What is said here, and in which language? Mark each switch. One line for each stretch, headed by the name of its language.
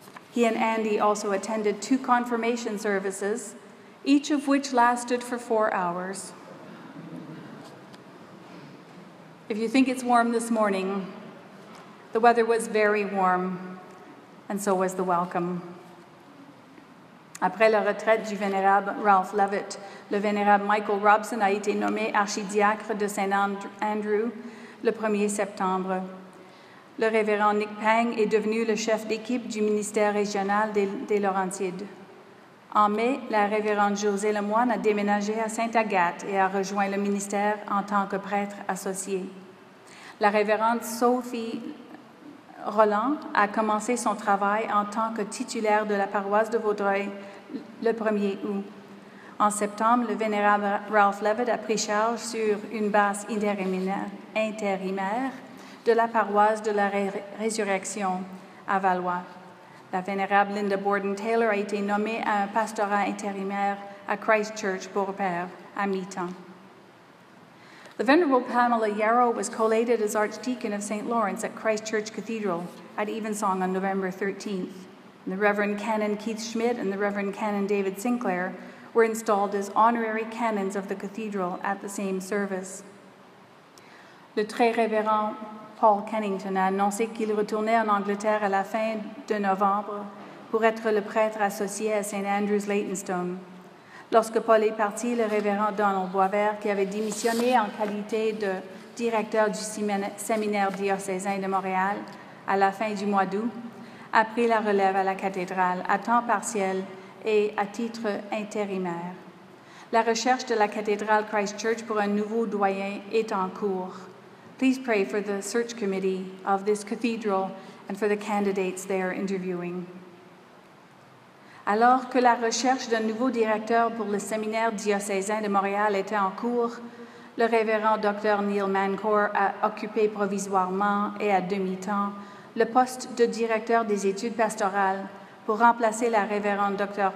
English: He and Andy also attended two confirmation services, each of which lasted for 4 hours. If you think it's warm this morning, the weather was very warm, and so was the welcome.
French: Après la retraite du Vénérable Ralph Levitt, le Vénérable Michael Robson a été nommé archidiacre de Saint-Andrew le 1er septembre. Le Révérend Nick Pang est devenu le chef d'équipe du ministère régional des Laurentides. En mai, la révérende José Lemoine a déménagé à Sainte-Agathe et a rejoint le ministère en tant que prêtre associé. La révérende Sophie Roland a commencé son travail en tant que titulaire de la paroisse de Vaudreuil le 1er août. En septembre, le vénérable Ralph Levitt a pris charge sur une base intérimaire de la paroisse de la Résurrection à Valois. La vénérable Linda Borden-Taylor a été nommée à un pastorat intérimaire à Christ Church Beaupère à mi-temps.
English: The Venerable Pamela Yarrow was collated as Archdeacon of St. Lawrence at Christ Church Cathedral at Evensong on November 13th. And the Reverend Canon Keith Schmidt and the Reverend Canon David Sinclair were installed as honorary canons of the cathedral at the same service.
French: Le très révérend Paul Kennington a annoncé qu'il retournait en Angleterre à la fin de novembre pour être le prêtre associé à St. Andrew's Leytonstone. Lorsque Paul est parti, le révérend Donald Boisvert, qui avait démissionné en qualité de directeur du séminaire diocésain de Montréal à la fin du mois d'août, a pris la relève à la cathédrale à temps partiel et à titre intérimaire. La recherche de la cathédrale Christ Church pour un nouveau doyen est en cours.
English: Please pray for the search committee of this cathedral and for the candidates they are interviewing.
French: Alors que la recherche d'un nouveau directeur pour le séminaire diocésain de Montréal était en cours, le révérend Dr. Neil Mancor a occupé provisoirement et à demi-temps le poste de directeur des études pastorales pour remplacer la révérende Dr.